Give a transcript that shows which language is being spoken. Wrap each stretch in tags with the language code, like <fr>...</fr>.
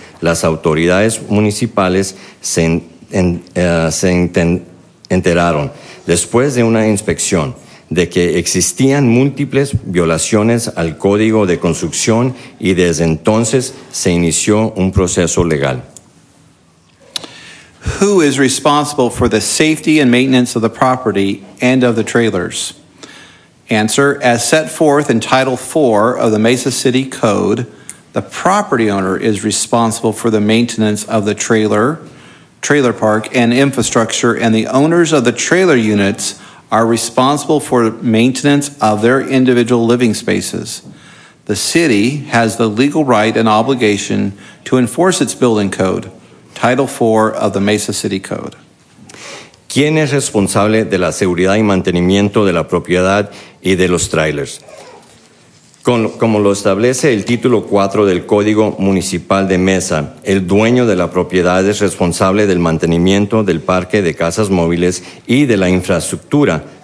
<es>Las autoridades municipales se enteraron, después de una inspección, de que existían múltiples violaciones al código de construcción y desde entonces se inició un proceso legal.</es> <en>Who is responsible for the safety and maintenance of the property and of the trailers? Answer, as set forth in Title IV of the Mesa City Code, the property owner is responsible for the maintenance of the trailer park and infrastructure, and the owners of the trailer units are responsible for maintenance of their individual living spaces. The city has the legal right and obligation to enforce its building code, Title IV of the Mesa City Code.</en> <es>¿Quién es responsable de la seguridad y mantenimiento de la propiedad y de los trailers? Como lo establece el Título 4 del Código Municipal de Mesa, el dueño de la propiedad es responsable del mantenimiento del parque de casas móviles y de la infraestructura.</es>